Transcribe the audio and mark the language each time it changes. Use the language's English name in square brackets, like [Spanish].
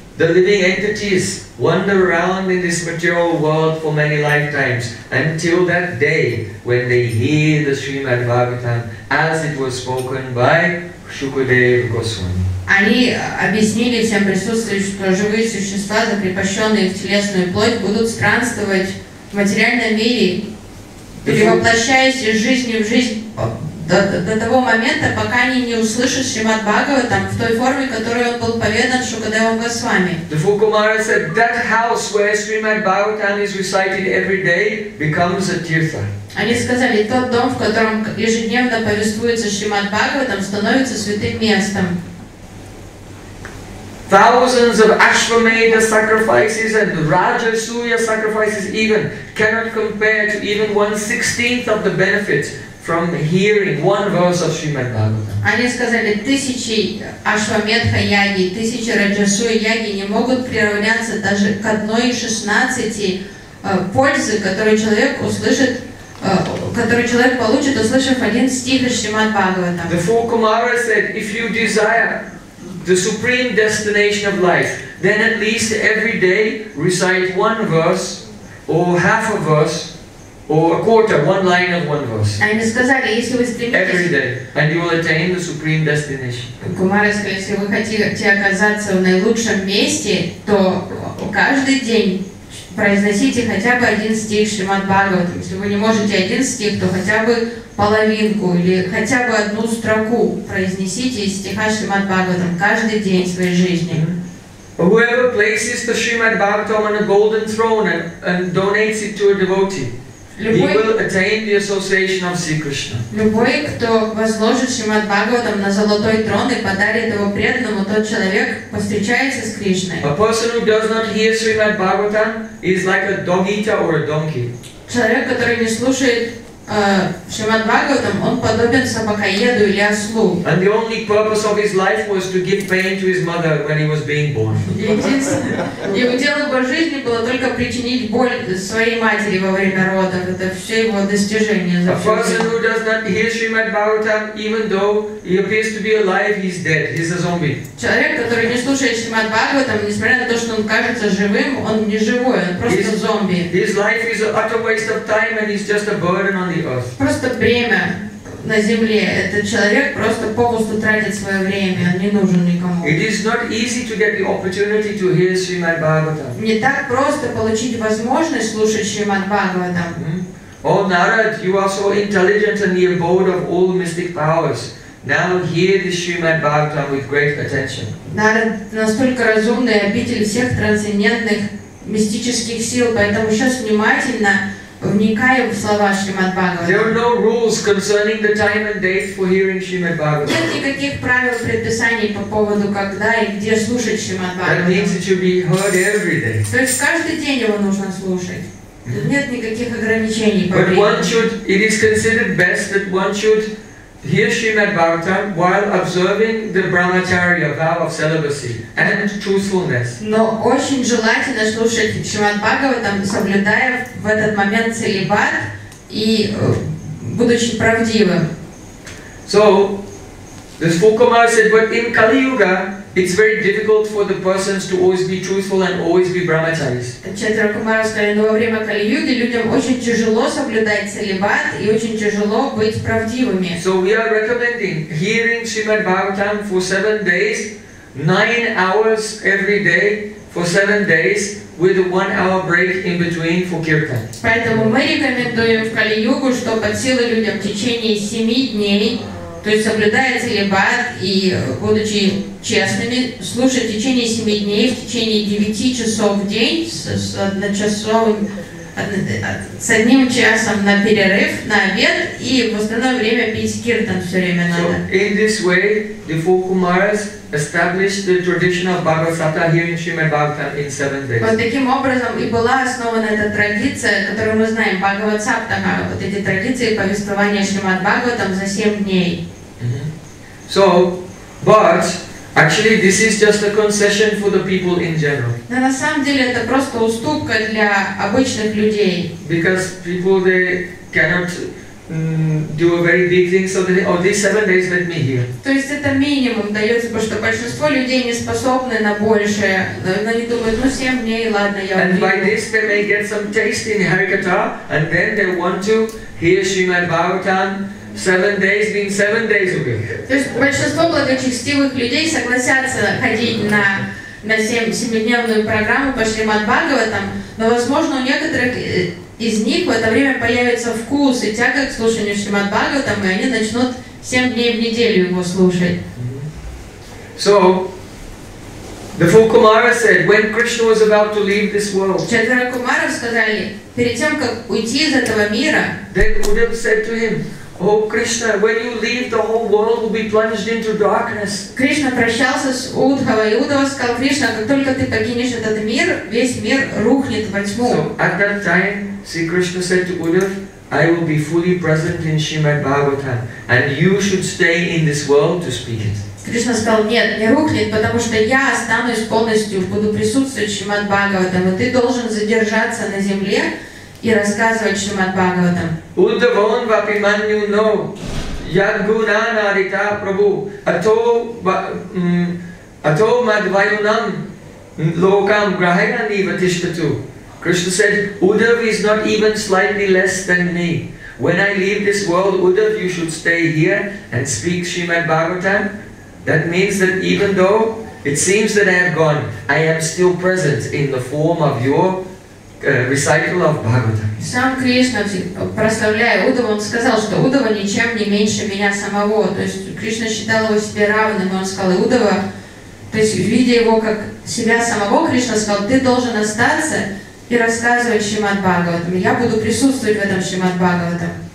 [English] The living entities wander around in this material world for many lifetimes until that day when they hear the Srimad Bhagavatam as it was spoken by Шукадева Госвами. [Russian] Они объяснили всем присутствующим, что живые существа, закрепощенные в телесную плоть, будут странствовать в материальном мире, перевоплощаясь из жизни в жизнь до того момента, пока они не услышат Шримад Бхагаватам в той форме, которой он был поведан Шукадевом Госвами. [English] The four Kumaras said that house where Srimad Bhagavatam is recited every day becomes a tirtha. [Russian] Они сказали, тот дом, в котором ежедневно повествуется Шримад Бхагаватам, становится святым местом. [English] Thousands of Ashwamedha sacrifices and Rajasuya sacrifices even cannot compare to even 1/16 of the benefits from hearing one verse of Srimad Bhagavatam. [Russian] Они сказали, тысячи Ашвамедха Яги, тысячи Раджасуя Яги не могут приравняться даже к 1/16 пользы, которую человек услышит. Который человек получит, услышав один стих из Шримад Бхагаватам. [English] The four Kumaras said, if you desire the supreme destination of life, then at least every day recite one verse, or half a verse, or a quarter, one line of one verse. [Russian] Они сказали, если вы стремитесь... [English] Every day, and you will attain the supreme destination. [Russian] Кумары сказали, если вы хотите оказаться в наилучшем месте, то каждый день... Произносите хотя бы один стих Шримад Бхагаватам. Если вы не можете один стих, то хотя бы половинку или хотя бы одну строку произнесите из стиха Шримад Бхагаватам каждый день своей жизни. [English] Whoever places the Shrimad Bhagavatam on a golden throne and donates it to a devotee, he will attain the association of Sri Krishna. [Russian] Любой, кто возложит Шримад Бхагаватам на золотой трон и подарит его преданному, тот человек повстречается с Кришной. [English] A person who does not hear Srimad Bhagavatam is like a dog eater or a donkey. [Russian] Человек, который не слушает Шримад Бхагаватам, он подобен собакоеду или ослу. [English] And the only purpose of his life was to give pain to his mother when he was being born. [Russian] Его дело по жизни было только причинить боль своей матери во время родов. Это все его достижения. [English] A person who does not hear Shrimad Bhagavatam, even though he appears to be alive, he's dead. He's a zombie. [Russian] Человек, который не слушает Шримад Бхагаватам, несмотря на то, что он кажется живым, он не живой, он просто зомби. [English] His life is an utter waste of time, and he's just a burden on the earth. [Russian] Просто бремя на земле. Этот человек просто попусту тратит свое время. Он не нужен никому. [English] It is not easy to get the opportunity to hear Srimad Bhagavatam. [Russian] Не так просто получить возможность слушать Шримад Бхагаватам. [English] Oh Narad, you are so intelligent and the abode of all mystic powers. Now hear the Srimad Bhagavatam with great attention. [Russian] Настолько разумный обитель всех трансцендентных мистических сил, поэтому сейчас внимательно вникаем в слова Шримад Бхагаватам. [English] There are no rules concerning the time and date for hearing Srimad Bhagavatam. [Russian] Нет никаких правил предписаний по поводу когда и где слушать Шримад Бхагаватам. [English] That means it should be heard every day. [Russian] То есть каждый день его нужно слушать. Нет никаких ограничений по времени. [English] But one should, it is considered best that one should hear Srimad Bhagavatam while observing the brahmacharya vow of celibacy and truthfulness. [Russian] Но очень желательно слушать Шримад Бхагаватам, соблюдая в этот момент целибат и будучи правдивым. [English] So, this Fukumar said, but in Kali Yuga, it's very difficult for the persons to always be truthful and always be brahmacharis. [Russian] Четвер Кумар сказал, во время Кали-юги людям очень тяжело соблюдать целибат и очень тяжело быть правдивыми. [English] So we are recommending hearing Srimad Bhagavatam for 7 days, 9 hours every day for 7 days with a 1 hour break in between for kirtan. [Russian] Поэтому мы рекомендуем в Кали-югу, что под силу людям в течение 7 дней, то есть соблюдая целибат и будучи честными, слушать в течение 7 дней, в течение 9 часов в день, с одним часом на перерыв, на обед, и в остальное время пить киртан все время надо. [English] So, in this way, the four Kumaras established the tradition of Bhagavata hearing Srimad Bhagavatam in 7 days. [Russian] Вот таким образом и была основана эта традиция, которую мы знаем, Бхагавата, вот эти традиции повествования Шримад Бхагаватам за 7 дней. Mm-hmm. [English] So, but actually, this is just a concession for the people in general. [Russian] Но на самом деле это просто уступка для обычных людей. [English] Because people they cannot do a very big thing, so they, oh, these 7 days let me hear. [Russian] То есть это минимум дается, потому что большинство людей не способны на большее. Они думают, ну 7 дней, ладно, я. [English] And by this they may get some taste in Harikata, and then they want to hear Srimad Bhagavatam. 7 days being 7 days a week. [Russian] То есть большинство благочестивых людей согласятся ходить на 7-дневную программу по Шримад Бхагаватам, но возможно у некоторых из них в это время появится вкус и тяга к слушанию Шримад Бхагаватам, и они начнут 7 дней в неделю его слушать. [English] So, the four Kumaras said, when Krishna was about to leave this world, [Russian] Четверо Кумаров сказали, перед тем как уйти из этого мира, [English] they would have said to him, О, Кришна, when you leave, the whole world will be plunged into darkness. [Russian] Кришна прощался с Удхавой, и Удхава сказал, Кришна, как только ты покинешь этот мир, весь мир рухнет во тьму. [English] So, at that time, see, Krishna said to Udhav, I will be fully present in Srimad Bhagavatam, and you should stay in this world to speak it. [Russian] Кришна сказал, нет, не рухнет, потому что я останусь полностью, буду присутствовать в Шримад Бхагаватам, и ты должен задержаться на земле, и рассказывать Шримад Бхагаватам. [Sanskrit] Удхавон вапи манью но яд гуна нарита прабу ато мадвайунам локам грахенани ватиштату. [English] Krishna said, Udhav is not even slightly less than me. When I leave this world, Udhav, you should stay here and speak Shrimad Bhagavatam. That means that even though it seems that I have gone, I am still present in the form of your recital of Bhagavatam. [Russian] Сам Кришна, прославляя Удава, он сказал, что Удава ничем не меньше меня самого. То есть Кришна считал его себе равным, и он сказал, Удава, то есть видя его как себя самого, Кришна сказал, ты должен остаться и рассказывать Шримад Бхагаватам. Я буду присутствовать в этом Шримад Бхагаватам.